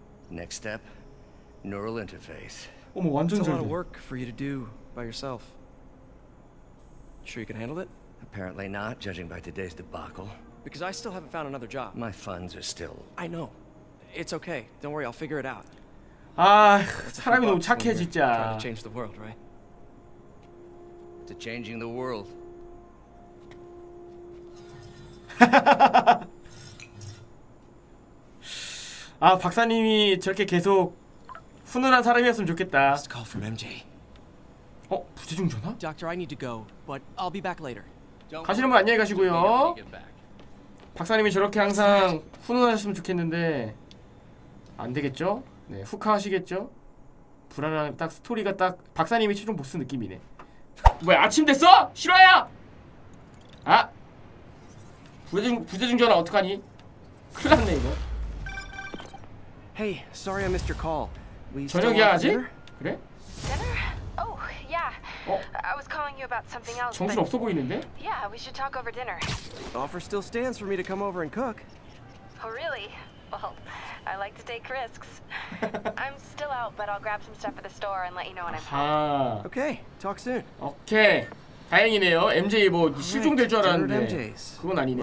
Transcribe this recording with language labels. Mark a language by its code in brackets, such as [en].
[en] Next step, neural interface. [ko] 어머, 완전 잘 돼. [en] It's a lot of work for you to do by yourself. Sure you can handle it? Apparently not, judging by today's debacle. Because I still haven't found another job. My funds are still. I know. It's okay. Don't worry, I'll figure it out. [ko] 아, 사람이 너무 착해 진짜. [en] To change the world, right? To changing the world. [ko] 아, 박사님이 저렇게 계속 훈훈한 사람이었으면 좋겠다. [en] Just call from MJ. [ko] 어, 부재중 전화? [en] Doctor, I need to go, but I'll be back later. [ko] 가시는 분 안녕히 가시고요. 박사님이 저렇게 항상 훈훈하셨으면 좋겠는데 안 되겠죠? 네, 후카하시겠죠? 불안한 딱 스토리가 딱 박사님이 최종 보스 느낌이네. 뭐야, 아침 됐어? 실화야! 아! 부재중 전화 어떡하니? 큰일 났네 이거. [en] Hey, sorry I missed your call. We [ko] 저녁이야 아직? 그래? [en] Dinner? Oh, yeah. I was calling you about something else. [ko] 정신 없어 보이는데? [en] Yeah, we should talk over dinner. The offer still stands for me to come over and cook. Oh, really? Well, I like to take risks. I'm still out, but I'll grab some stuff at the store and let you know when I'm home. Okay, talk soon. Okay. [ko] 다행이네요. MJ 뭐 실종될 줄 알았는데 그건 아니네.